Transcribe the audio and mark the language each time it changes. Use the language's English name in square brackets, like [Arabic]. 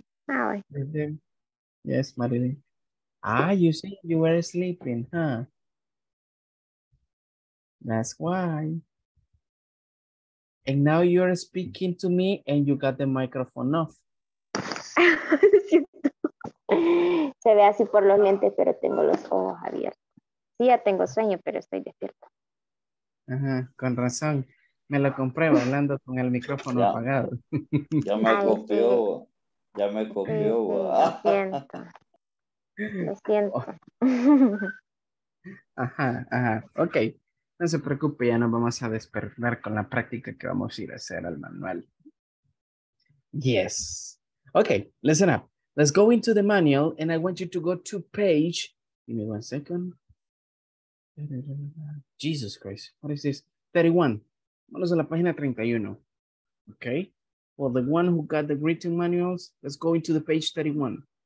[English] Mm, yes, Marilyn. Ah, you say you were sleeping, huh? That's why. And now you're speaking to me and you got the microphone off. [Spanish] Se ve así por los lentes, pero tengo los ojos abiertos. Sí, ya tengo sueño, pero estoy despierto. Ajá, con razón. Me lo compruebo hablando con el micrófono ya, apagado. Ya me copió. Ya me copió. Sí, lo siento. Lo siento. Ajá, ajá. Ok. No se preocupe, ya nos vamos a despertar con la práctica que vamos a ir a hacer al manual. [English] Yes. Okay, listen up. Let's go into the manual and I want you to go to page. Give me 1 second. Jesus Christ, what is this? 31. [Spanish] Vamos a la página 31. [English] Okay. Well, the one who got the written manuals, let's go into the page 31.